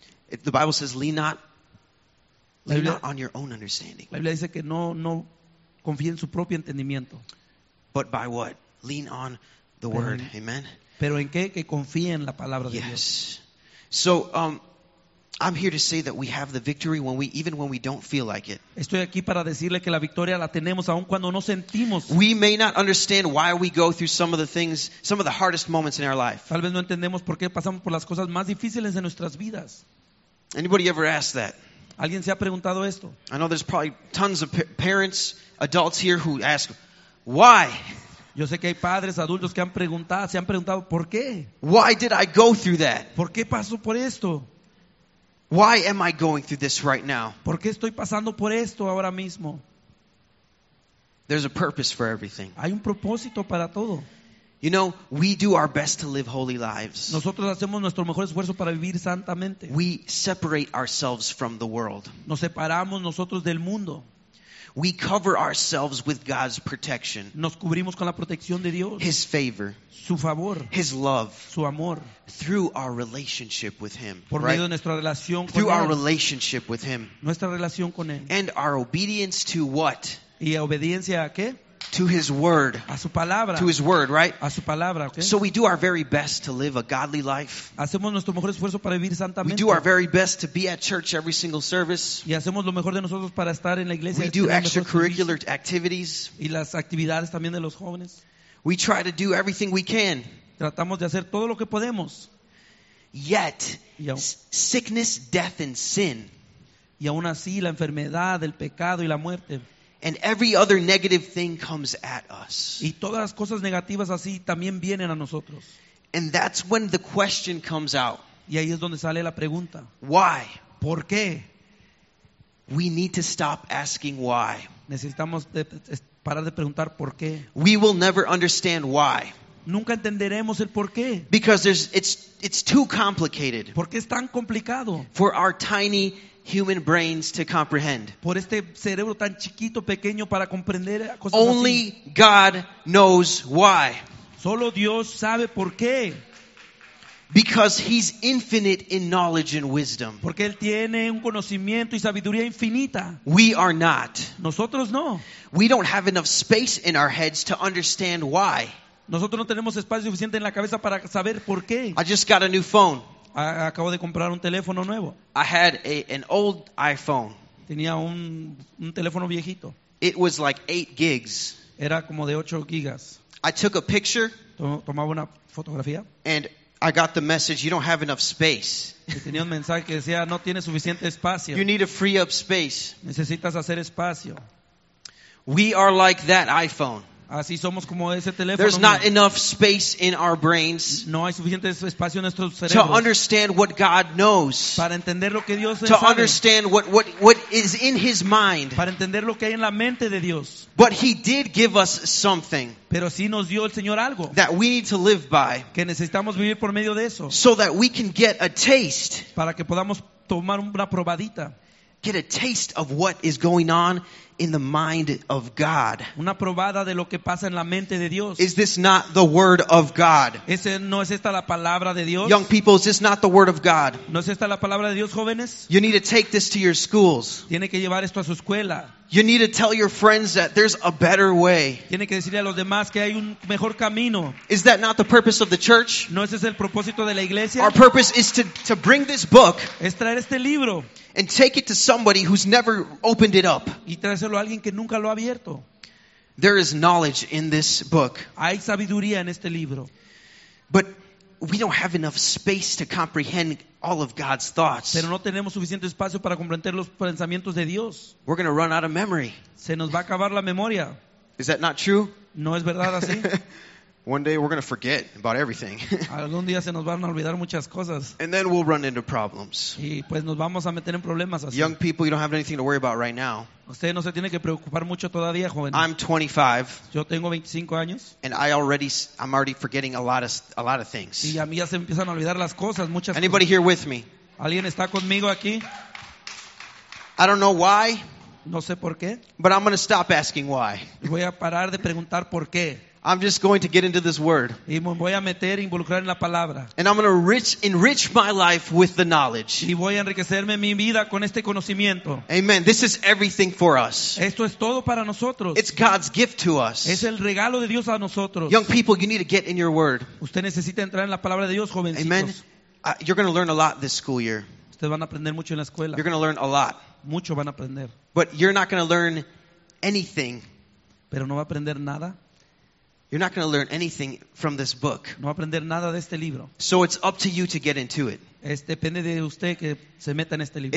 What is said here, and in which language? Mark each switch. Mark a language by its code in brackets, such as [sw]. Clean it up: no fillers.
[en] The Bible says, lean not on your own understanding. [es] La Biblia dice que no confíe en su propio entendimiento. [en] But by what? Lean on the word. Amen. [es] Pero en qué que confíe en la palabra de Dios. [en] So I'm here to say that we have the victory even when we don't feel like it. [es] Estoy aquí para decirle que la victoria la tenemos aun cuando no sentimos. [en] We may not understand why we go through some of the hardest moments in our life. [es] Tal vez no entendemos por qué pasamos por las cosas más difíciles de nuestras vidas. [en] Anybody ever asked that? [es] ¿Alguien se ha preguntado esto? [en] I know there's probably tons of parents, adults here who ask, why? [es] Yo sé que hay padres, adultos que se han preguntado, ¿por qué? [en] Why did I go through that? [es] ¿Por qué paso por esto? [en] Why am I going through this right now? [es] ¿Por qué estoy pasando por esto ahora mismo? [en] There's a purpose for everything. [es] Hay un propósito para todo. [en] You know, we do our best to live holy lives. [es] Nosotros hacemos nuestro mejor esfuerzo para vivir santamente. [en] We separate ourselves from the world. [es] Nos separamos nosotros del mundo. [en] We cover ourselves with God's protection. [es] Nos cubrimos con la protección de Dios. [en] His favor. [es] Su favor. [en] His love. [es] Su amor. [en] Through our relationship with Him. [es] Por medio de nuestra relación con Él. [en] Through our relationship with Him. [es] Nuestra relación con Él. [en] And our obedience to what? [es] ¿Y obediencia a qué? [en] To His word. [es] A su palabra. [en] To His word, right? [es] A su palabra, okay? [en] So we do our very best to live a godly life. [es] Hacemos nuestro mejor esfuerzo para vivir santamente. [en] We do our very best to be at church every single service. [es] Y hacemos lo mejor de nosotros para estar en la iglesia. [en] We do extracurricular activities. [es] Y las actividades también de los jóvenes. [en] We try to do everything we can. [es] Tratamos de hacer todo lo que podemos. [en] Yet, sickness, death, and sin. [es] Y aún así, la enfermedad, el pecado y la muerte. [en] And every other negative thing comes at us. [es] Y todas las cosas negativas así también vienen a nosotros. [en] And that's when the question comes out. [es] Y ahí es donde sale la pregunta. [en] Why? [es] ¿Por qué? [en] We need to stop asking why. [es] Necesitamos parar de preguntar por qué. [en] We will never understand why. [es] Nunca entenderemos el por qué. [en] Because it's too complicated. [es] Porque es tan complicado. [en] For our tiny human brains to comprehend. [es] Por este cerebro tan chiquito, pequeño, para comprender cosas [en] only [es] así. [en] God knows why. [es] Solo Dios sabe por qué. [en] Because He's infinite in knowledge and wisdom. [es] Porque Él tiene un conocimiento y sabiduría infinita. [en] We are not. [es] Nosotros no. [en] We don't have enough space in our heads to understand why. [es] Nosotros no tenemos espacio suficiente en la cabeza para saber por qué. [en] I just got a new phone. [es] Acabo de comprar un teléfono nuevo. [en] I had an old iPhone. [es] Tenía un teléfono viejito. [en] It was like 8 gigs. [es] Era como de 8 gigas. [en] I took a picture. [es] Tomaba una fotografía. [en] And I got the message, you don't have enough space. [es] Y tenía un mensaje que decía, no tienes suficiente espacio. [en] You need to free up space. [es] Necesitas hacer espacio. [en] We are like that iPhone. [es] Así somos como ese teléfono. [en] There's not enough space in our brains [es] no hay suficiente espacio en nuestros cerebros [en] to understand what God knows, [es] para entender lo que Dios [en] to [es] sabe, [en] understand what is in His mind. [es] Para entender lo que hay en la mente de Dios. [en] But He did give us something. [es] Pero sí nos dio el Señor algo [en] that we need to live by, [es] que necesitamos vivir por medio de eso, [en] so that we can get a taste, [es] para que podamos tomar una probadita, [en] get a taste of what is going on in the mind of God. [es] Una probada de lo que pasa en la mente de Dios. [en] Is this not the word of God? [es] ¿Ese no es esta la palabra de Dios? [en] Young people, is this not the word of God? [es] ¿No es esta la palabra de Dios, jóvenes? [en] You need to take this to your schools. [es] Tiene que llevar esto a su escuela. [en] You need to tell your friends that there's a better way. [es] Tiene que decirle a los demás que hay un mejor camino. [en] Is that not the purpose of the church? [es] ¿No ese es el propósito de la iglesia? [en] Our purpose is to bring this book, [es] es traer este libro, [en] and take it to somebody who's never opened it up. [es] Y traérselo a alguien que nunca lo ha abierto. [en] There is knowledge in this book. [es] Hay sabiduría en este libro. [en] But we don't have enough space to comprehend all of God's thoughts. [es] Pero no tenemos suficiente espacio para comprender los pensamientos de Dios. [en] We're going to run out of memory. [es] Se nos va a acabar la memoria. [en] Is that not true? [es] ¿No es verdad así? [en] One day we're going to forget about everything. [es] Algún día se nos van a olvidar muchas cosas. [en] And then we'll run into problems. [es] Y pues nos vamos a meter en problemas así. [en] Young people, you don't have anything to worry about right now. [es] Usted no se tiene que preocupar mucho todavía, joven. [en] I'm 25. [es] Yo tengo 25 años. [en] And I'm already forgetting a lot of things. [es] Y a mí ya se empiezan a olvidar las cosas, muchas [en] Anybody [es] cosas. [en] Here with me? [es] ¿Alguien está conmigo aquí? [en] I don't know why. [es] No sé por qué. [en] But I'm going to stop asking why. [es] Voy a parar de preguntar por qué. [en] I'm just going to get into this word. [es] Y me voy a meter, involucrar en la palabra. [en] And I'm going to enrich my life with the knowledge. [es] Y voy a enriquecerme mi vida con este conocimiento. [en] Amen. This is everything for us. [es] Esto es todo para nosotros. [en] It's God's gift to us. [es] Es el regalo de Dios a nosotros. [en] Young people, you need to get in your word. [es] Usted necesita entrar en la palabra de Dios, jovencitos. [en] Amen. You're going to learn a lot this school year. [es] Ustedes van a aprender mucho en la escuela. [en] You're going to learn a lot. [es] Mucho van a aprender. [en] But you're not going to learn anything. [es] Pero no va a aprender nada. [en] You're not going to learn anything from this book. [es] No va a aprender nada de este libro. [en] So it's up to you to get into it. [es] Es depende de usted que se meta en este libro.